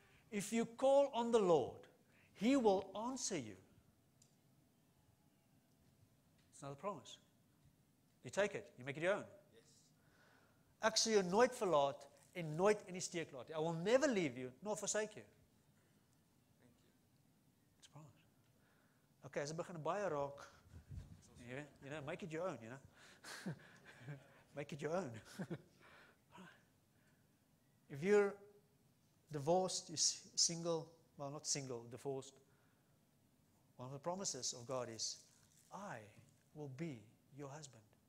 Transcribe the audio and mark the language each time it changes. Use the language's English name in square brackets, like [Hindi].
[English] If you call on the Lord, He will answer you. It's another promise. You take it, you make it your own. [Afrikaans] Ek sal jou nooit verlaat en nooit in die steek laat. [English] I will never leave you nor forsake you. Okay, as it begin to buy a rock, you know, make it your own, you know. Make it your own. If you're divorced, you're single, well, not single, divorced, one of the promises of God is, I will be your husband.